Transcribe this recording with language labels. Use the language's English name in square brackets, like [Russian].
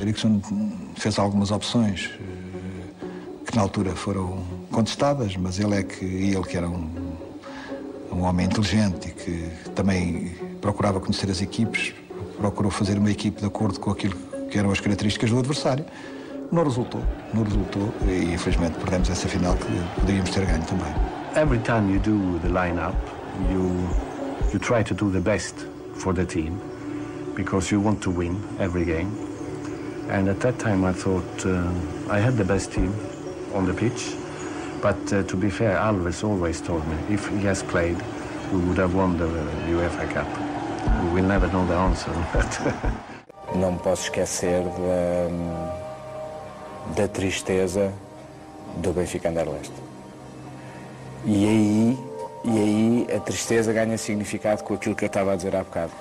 [Portuguese] Eriksen fez algumas opções que na altura foram contestadas, mas ele que era um homem inteligente e que também procurava conhecer as equipes, procurou fazer uma equipe de acordo com aquilo que eram as características do adversário. Não resultou e infelizmente perdemos essa final que poderíamos ter ganho também. [English] Every time you do the lineup, you try to do the best for the team because you want to win every game. And at that time I thought I had the best team on the pitch, but to be fair, Alves always told me if he has played, who would have won the UEFA Cup. We never know the answer. But [Portuguese] não me posso esquecer da tristeza do Benfica Anderlecht. E aí a tristeza ganha significado com aquilo que eu estava a dizer há bocado.